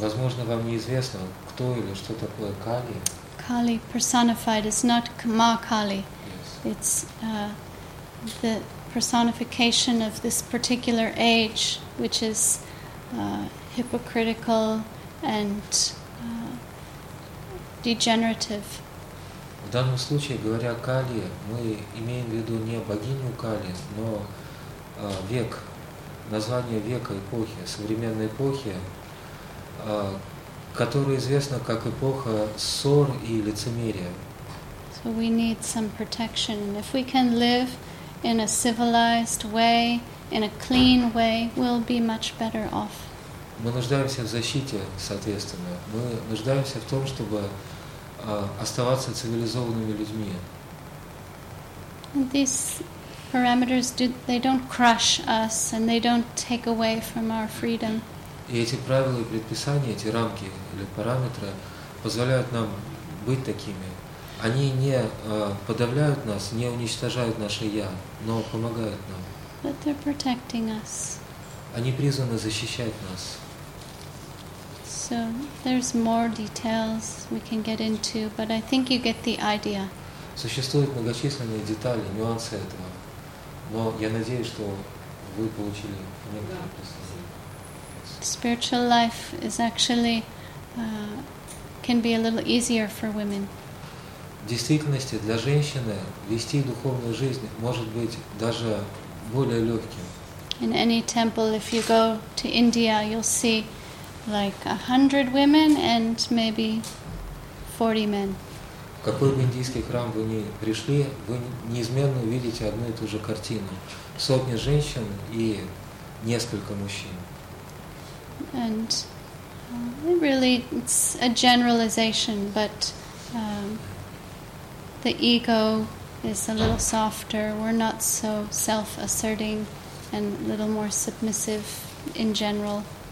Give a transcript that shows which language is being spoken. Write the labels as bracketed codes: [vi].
[ru] Возможно, вам неизвестно, кто или что такое Кали. [en] Kali personified is not Ma Kali. Yes. It's the personification of this particular age, which is hypocritical and degenerative. [ru] В данном случае, говоря о Кали, мы имеем в виду не богиню Кали, но век, название века, эпохи, современной эпохи, которая известна как эпоха ссор и лицемерия. [en] So we need some protection. If we can live in a civilized way, in a clean way, we'll be much better off. [ru] Мы нуждаемся в защите, соответственно. Мы нуждаемся в том, чтобы оставаться цивилизованными людьми. [en] These parameters they don't crush us and they don't take away from our freedom. [ru] И эти правила и предписания, эти рамки или параметры позволяют нам быть такими. Они не подавляют нас, не уничтожают наше я, но помогают нам. [en] But they're protecting us. [ru] Они призваны защищать нас. [en] So there's more details we can get into, but I think you get the idea. [ru] Существуют многочисленные детали, нюансы этого, но я надеюсь, что вы получили некоторое представление. [en] Spiritual life is actually can be a little easier for women. [ru] В действительности для женщины вести духовную жизнь может быть даже более легким. [en] In any temple, if you go to India, you'll see like 100 women and maybe 40 men. [ru] Какой бы индийский храм вы ни пришли, вы неизменно увидите одну и ту же картину. Сотни женщин и несколько мужчин. [en] And really it's a generalization, but the ego is a little softer. We're not so self-asserting and a little more submissive in general.